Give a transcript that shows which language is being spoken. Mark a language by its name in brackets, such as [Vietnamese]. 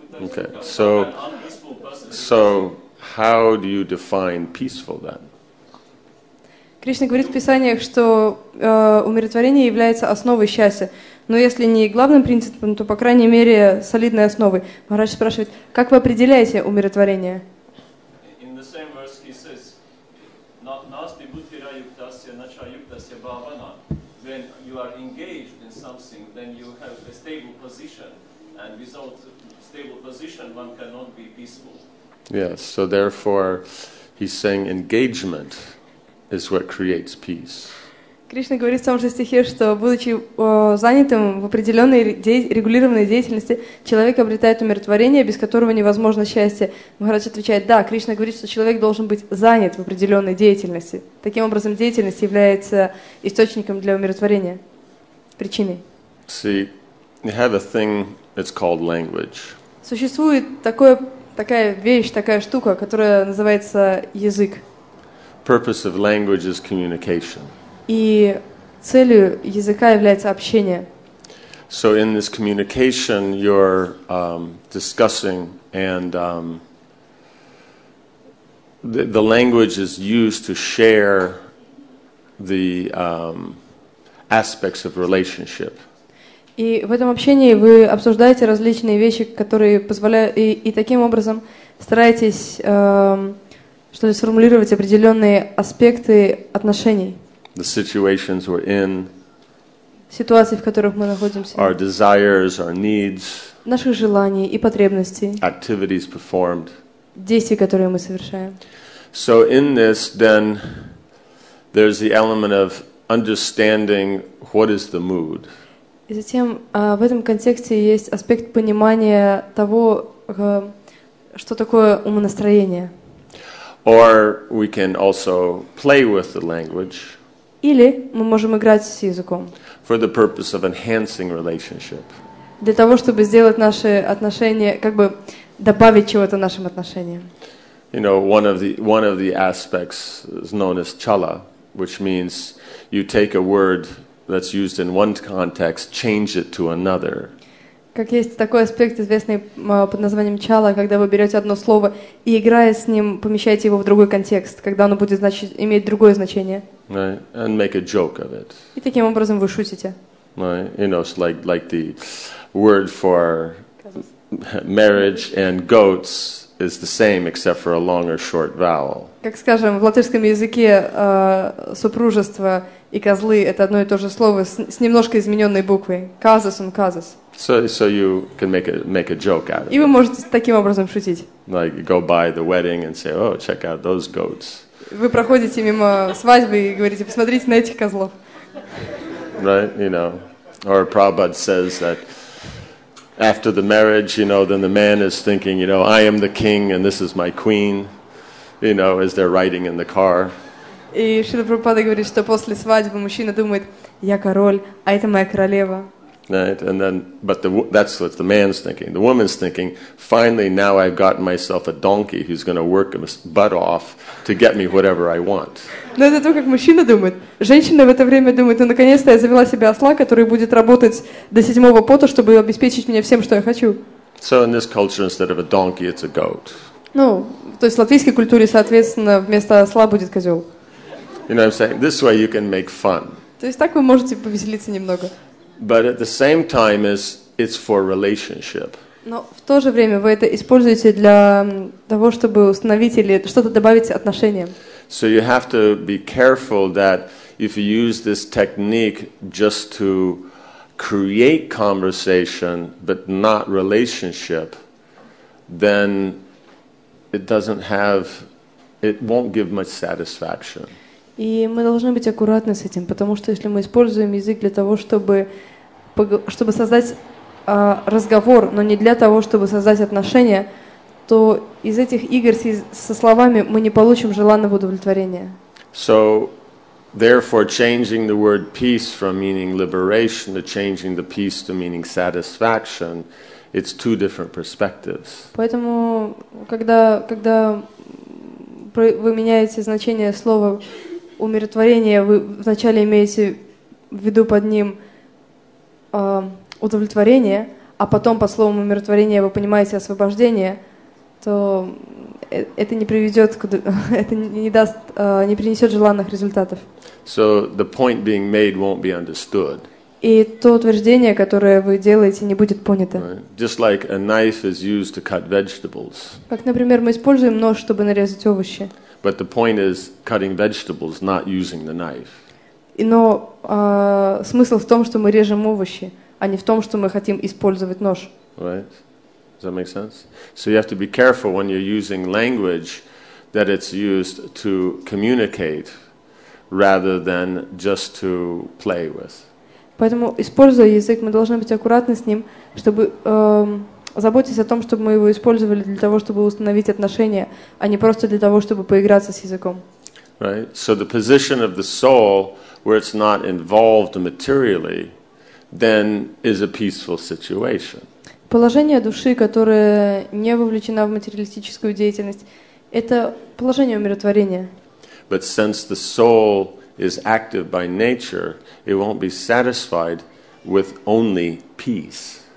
[English] Putak Sukham. Okay, so. How do you define peaceful then? [Russian] Кришна говорит в писаниях, что умиротворение является основой счастья. Но если не главным принципом, то по крайней мере солидной основой. Махарадж спрашивает, как вы определяете умиротворение? [English] In the same verse he says, [Sanskrit] Nasti buddhira yuktasya, nacha yuktasya bhavana. [English] When you are something, then you have a stable position, and without stable position, one cannot be peaceful. Yes, so therefore, he's saying engagement is what creates peace. [Russian] Кришна говорит в том же стихе, что будучи занятым в определенной регулированной деятельности, человек обретает умиротворение, без которого невозможно счастье. Махарадж отвечает, да, Кришна говорит, что человек должен быть занят в определенной деятельности. Таким образом, деятельность является источником для умиротворения, причиной. [English] See, you have a thing, it's called language. [Russian] Существует такое, такая вещь, такая штука, которая называется язык. [English] Purpose of language is communication. [Russian] И целью языка является общение. [English] So in this communication you're discussing and the language is used to share the aspects of relationship. [Russian] И в этом общении вы обсуждаете различные вещи, которые позволяют и таким образом стараетесь что ли сформулировать определенные аспекты отношений. [English] The situations we're in, [Russian] ситуации, в которых мы находимся, [English] our desires, our needs, [Russian] наши желания и потребности, [English] activities performed, [Russian] действия, которые мы совершаем. [English] So in this, then, there's the element of understanding what is the mood. [Russian] И затем в этом контексте есть аспект понимания того, что такое умонастроение. [English] Or we can also play with the language. [Russian] Или мы можем играть с языком. [English] For the purpose of enhancing relationship. [Russian] Для того, чтобы сделать наши отношения, как бы добавить чего-то нашим отношениям. [English] You know, one of the aspects is known as chala, which means you take a word that's used in one context, change it to another. [Russian] Как есть такой аспект, известный под названием чала, когда вы берете одно слово и, играя с ним, помещаете его в другой контекст, когда оно будет значить, иметь другое значение. [English] Right. And make a joke of it. [Russian] И таким образом вы шутите. [English] Right. You know, it's like the word for marriage and goats is the same, except for a long or short vowel. [Russian] Как скажем, в латышском языке супружество и козлы — это одно и то же слово с немножко измененной буквой. Казус он казус. [English] So you can make a joke out of it. [Russian] И вы можете таким образом шутить. [English] Like go by the wedding and say, oh, check out those goats. [Russian] Вы проходите мимо свадьбы и говорите, посмотрите на этих козлов. [English] Right, you know. Or Prabhupada says that after the marriage, you know, then the man is thinking, you know, I am the king and this is my queen, you know, as they're riding in the car. [Russian] И Шрила Прабхупада говорит, что после свадьбы мужчина думает, я король, а это моя королева. [English] Right, and then, but that's what the man's thinking. The woman's thinking, finally, now I've gotten myself a donkey who's going to work his butt off to get me whatever I want. [Russian] Но это то, как мужчина думает. Женщина в это время думает, ну, наконец-то я завела себе осла, который будет работать до седьмого пота, чтобы обеспечить меня всем, что я хочу. [English] So in this culture, instead of a donkey, it's a goat. [Russian] Ну, то есть в латвийской культуре, соответственно, вместо осла будет козел. [English] You know what I'm saying? This way you can make fun. [Russian] То есть так вы можете повеселиться немного. [English] But at the same time, it's for relationship. [Russian] Но в то же время вы это используете для того, чтобы установить или что-то добавить отношениям. [English] So you have to be careful that if you use this technique just to create conversation but not relationship, then it won't give much satisfaction. [Russian] И мы должны быть аккуратны с этим, потому что если мы используем язык для того, чтобы создать разговор, но не для того, чтобы создать отношения, то из этих игр со словами мы не получим желанного удовлетворения. [English] So, therefore, changing the word peace from meaning liberation to changing the peace to meaning satisfaction, it's two different perspectives. [Russian] Поэтому, когда вы меняете значение слова умиротворение, вы вначале имеете в виду под ним удовлетворение, а потом по словам умиротворение вы понимаете освобождение, то это не приведет, это не даст, не принесет желанных результатов. [English] So the point being made won't be understood. [Russian] И то утверждение, которое вы делаете, не будет понято. [English] Right. Just like a knife is used to cut vegetables. [Russian] Как, например, мы используем нож, чтобы нарезать овощи. [English] But the point is cutting vegetables, not using the knife. [Russian] Но смысл в том, что мы режем овощи, а не в том, что мы хотим использовать нож. [English] Right. Does that make sense? So you have to be careful when you're using language that it's used to communicate rather than just to play with. [Russian] Поэтому, используя язык, мы должны быть аккуратны с ним, чтобы заботиться о том, чтобы мы его использовали для того, чтобы установить отношения, а не просто для того, чтобы поиграться с языком. [English] Right? So the position of the soul where it's not involved materially, then is a peaceful situation. [Russian] Положение души, которое не вовлечено в материалистическую деятельность, это положение умиротворения. [English] But since the soul is active by nature, it won't be satisfied with only peace.